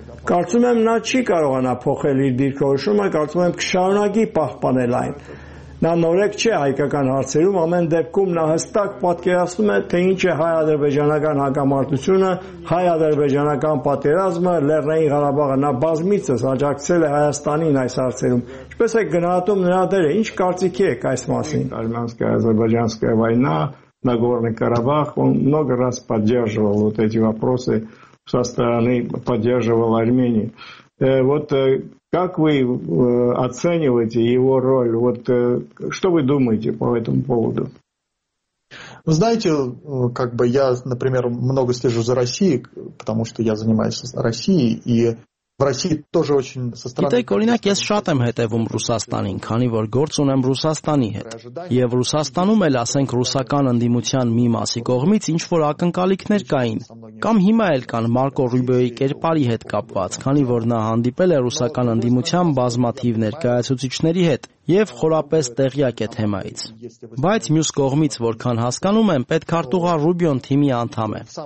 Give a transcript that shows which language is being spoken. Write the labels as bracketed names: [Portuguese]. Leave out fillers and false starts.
[Armenian] Կարծում եմ, նա չի կարողանա փոխել իր դիրքորոշումը, կարծում եմ, կշարունակի պահպանել այն։ Նա նորեկ չէ հայկական հարցերում, ամեն դեպքում նա հստակ պատկերացնում է, թե ինչ է հայ-ադրբեջանական հակամարտությունը, հայ-ադրբեջանական պատերազմը, Լեռնային Ղարաբաղը, նա բազմիցս աջակցել է Հայաստանին այս հարցերում։ Ինչպես է գնահատում նրա դերը, ինչ կարծիքի եք այս մասին։ [Russian] Արմենско-ադրբեջանская война, Нагорный Карабах, он много раз поддерживал вот эти вопросы со стороны, поддерживал Армению. Вот как вы оцениваете его роль? Вот что вы думаете по этому поводу? Вы знаете, как бы я, например, много слежу за Россией, потому что я занимаюсь Россией, и в России тоже очень со стороны. [Armenian] Итак, օրինակ ես շատ եմ հետևում Ռուսաստանին, քանի որ գործ ունեմ Ռուսաստանի հետ, եւ Ռուսաստանում էլ ասենք ռուսական ընդդիմության մի մասի կողմից ինչ որ ակնկալիքներ կային, կամ հիմա էլ կան Մարկո Ռուբիոյի կերպարի հետ կապված, քանի որ նա հանդիպել է ռուսական ընդդիմության բազմաթիվ ներկայացուցիչների հետ եւ խորապես տեղյակ է թեմայից։ Բայց մյուս կողմից, որքան հասկանում եմ, պետք արտուղա Ռուբիոն թիմի անդամ է։